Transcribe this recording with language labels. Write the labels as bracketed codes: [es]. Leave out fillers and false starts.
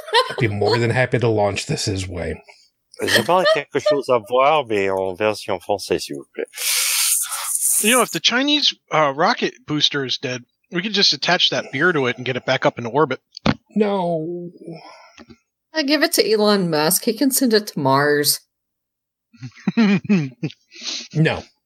[en] I'd be more than happy to launch this his way. [fr] J'ai pas quelque chose à boire, mais en version française, s'il vous plaît. [en] You know, if the Chinese rocket booster is dead, we could just attach that beer to it and get it back up into orbit. No. I give it to Elon Musk. He can send it to Mars. No.